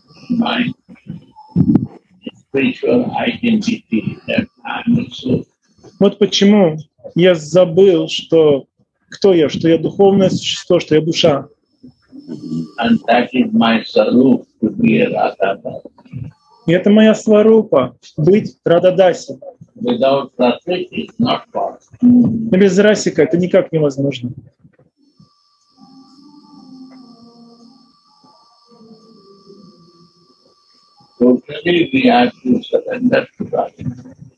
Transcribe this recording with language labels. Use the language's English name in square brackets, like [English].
[English] mind, spiritual identity that I'm also. [Russian] Вот почему я забыл, что кто я, что я духовное существо, что я душа. [English] And that is my sarup to be a Radha-dasa. [Russian] И это моя сварупа быть Радха-даса. [English] Without Rasika it's not possible. [Russian] Но без Расика это никак невозможно. [English] Totally we have to surrender to Rasika.